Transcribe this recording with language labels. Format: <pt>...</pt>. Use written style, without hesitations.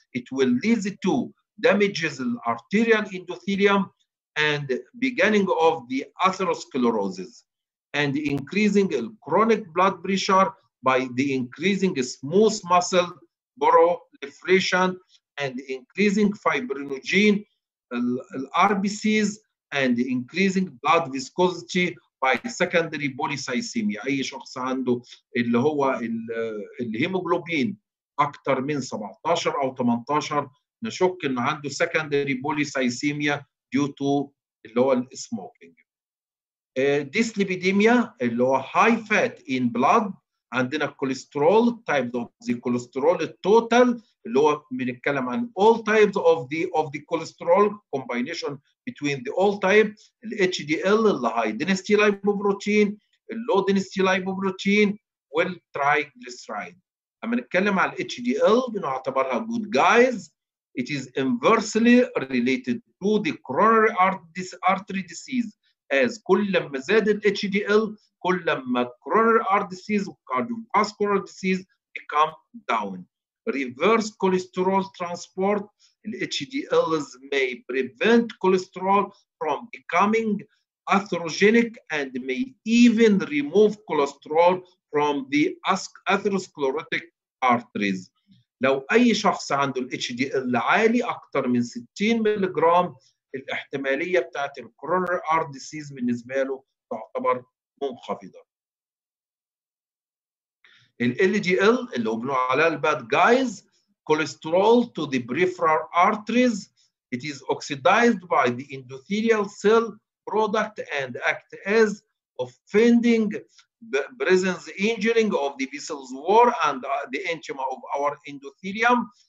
<en>It will lead to damages in arterial endothelium and beginning of the atherosclerosis and increasing chronic blood pressure by the increasing smooth muscle proliferation and increasing fibrinogen RBCs and increasing blood viscosity by secondary polycythemia.</en> <ar>اي شخص عنده اللي هو الهيموجلوبين اكتر من 17 او 18 نشك انه عنده</ar> <en>secondary polycythemia due to</en> <ar>اللي هو السموكينج.</ar> <en>Dyslipidemia</en> <ar>اللي هو</ar> <en>high fat in blood.</en> <ar>عندنا الكوليسترول</ar> <en>types of the cholesterol total</en> <ar>اللي هو بنتكلم عن</ar> <en>all types of the cholesterol combination between the all types, HDL high density lipoprotein, low density lipoprotein, والtriglyceride.</en> <ar>اما نتكلم على HDL بنعتبرها</ar> <en>good guys. It is inversely related to the coronary artery disease, as</en> <ar>كل ما زاد HDL كل ما</ar> <en>coronary artery disease cardiovascular disease become down. Reverse cholesterol transport HDLs may prevent cholesterol from becoming atherogenic and may even remove cholesterol from the atherosclerotic arteries.</en> <ar>لو أي شخص عنده الـ HDL عالي أكتر من 60 ملغرام الاحتمالية بتاعت الـ</ar> <en>coronary artery disease</en> <ar>بالنسبة له تعتبر منخفضة. الـ LDL اللي بنوع عليها الـ</ar> <en>bad guys cholesterol to the peripheral arteries it is oxidized by the endothelial cell product and act as offending presence injuring of the vessels wall and the intima of our endothelium.</en>